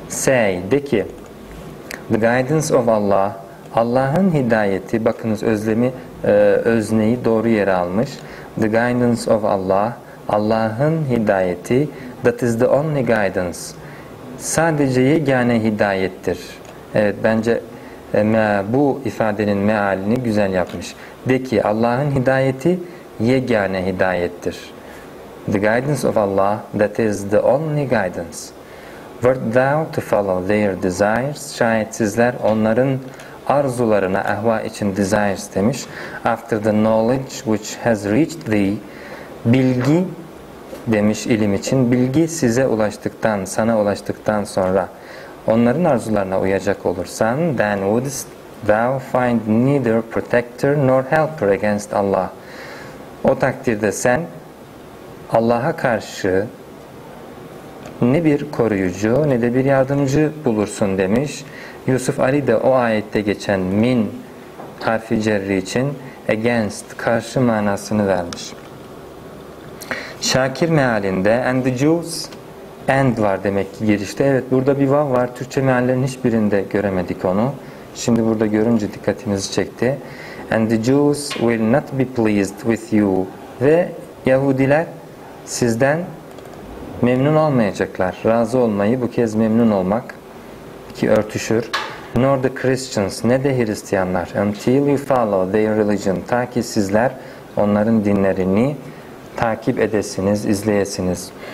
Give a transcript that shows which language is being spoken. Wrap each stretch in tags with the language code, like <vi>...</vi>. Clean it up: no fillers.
<en>Say,</en> <tr>de ki</tr> <en>the guidance of Allah,</en> <tr>Allah'ın hidayeti, bakınız özlemi, özneyi doğru yere almış.</tr> <en>The guidance of Allah,</en> <tr>Allah'ın hidayeti,</tr> <en>that is the only guidance,</en> <tr>sadece yegane hidayettir. Evet, bence bu ifadenin mealini güzel yapmış. De ki Allah'ın hidayeti yegane hidayettir.</tr> <en>The guidance of Allah, that is the only guidance. Wert thou to follow their desires,</en> <tr>şayet sizler onların arzularına, ehva için desires demiş,</tr> <en>after the knowledge which has reached thee, bilgi</en> <tr>demiş ilim için, bilgi size ulaştıktan, sana ulaştıktan sonra onların arzularına uyacak olursan,</tr> <en>then wouldst thou find neither protector nor helper against Allah,</en> <tr>o takdirde sen Allah'a karşı ne bir koruyucu ne de bir yardımcı bulursun demiş. Yusuf Ali de o ayette geçen min harfi cerri için against, karşı manasını vermiş. Şakir mealinde</tr> <en>and the Jews and</en> <tr>var demek ki girişte. Evet, burada bir vav var. Türkçe meallerin hiçbirinde göremedik onu. Şimdi burada görünce dikkatimizi çekti.</tr> <en>And the Jews will not be pleased with you.</en> <tr>Ve Yahudiler sizden memnun olmayacaklar. Razı olmayı bu kez memnun olmak, ki örtüşür.</tr> <en>Nor the Christians,</en> <tr>ne de Hristiyanlar.</tr> <en>Until you follow their religion,</en> <tr>ta ki sizler onların dinlerini takip edesiniz, izleyesiniz.</tr>